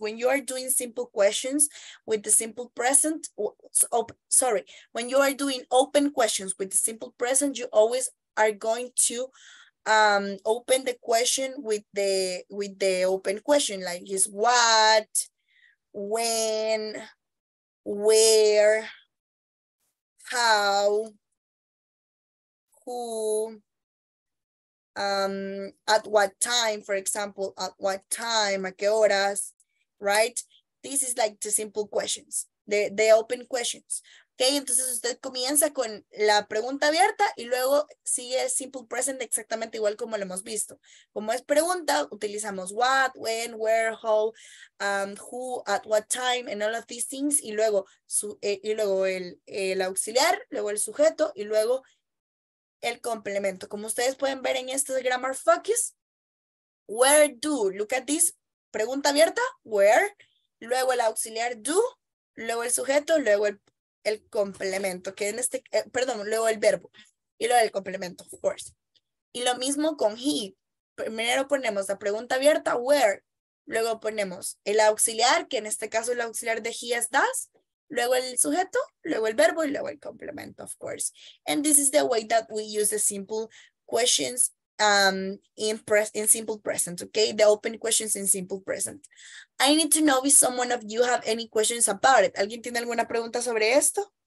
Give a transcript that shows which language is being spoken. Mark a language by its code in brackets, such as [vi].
[en] When you are doing simple questions with the simple present, when you are doing open questions with the simple present, you always are going to open the question with the open question, like is what, when, where, how, who, at what time, for example, at what time, [es] a qué horas, [en] right? This is like the simple questions, the open questions, okay? [es] Entonces usted comienza con la pregunta abierta y luego sigue el simple present exactamente igual como lo hemos visto. Como es pregunta, utilizamos what, when, where, how, who, [en] at what time, and all of these things, [es] y luego, el auxiliar, luego el sujeto, y luego el complemento. Como ustedes pueden ver en este grammar focus, where do, [en] look at this, [es] pregunta abierta, where, luego el auxiliar do, luego el sujeto, luego el complemento, que en este, perdón, luego el verbo, y luego el complemento, [en] of course. [es] Y lo mismo con he, primero ponemos la pregunta abierta, where, luego ponemos el auxiliar, que en este caso el auxiliar de he es does, Luego el sujeto, luego el verbo y luego el complemento, [en] of course. And this is the way that we use the simple questions in simple present, okay? The open questions in simple present. I need to know if someone of you have any questions about it. [es] ¿Alguien tiene alguna pregunta sobre esto?